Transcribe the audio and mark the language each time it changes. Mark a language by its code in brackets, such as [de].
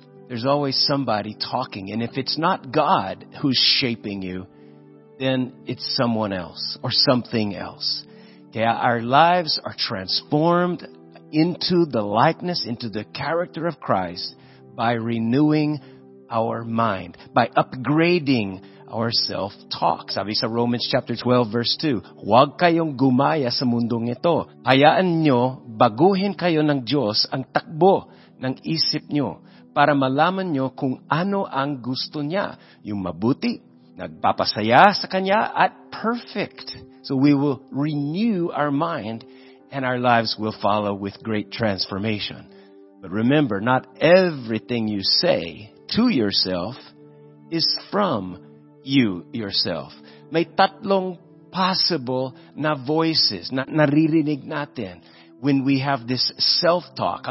[en] There's always somebody talking. And if it's not God who's shaping you, then it's someone else or something else. Okay, our lives are transformed into the likeness, into the character of Christ by renewing our mind, by upgrading our self-talk. [tl] Sabi sa Romans chapter 12, verse 2, huwag kayong gumaya sa mundong ito. Hayaan nyo, baguhin kayo ng Diyos ang takbo ng isip nyo para malaman nyo kung ano ang gusto niya, yung mabuti, nagpapasaya sa kanya, at perfect. [en] So we will renew our mind and our lives will follow with great transformation. But remember, not everything you say to yourself is from you yourself. [tl] May tatlong possible na voices na naririnig natin [en] when we have this self-talk.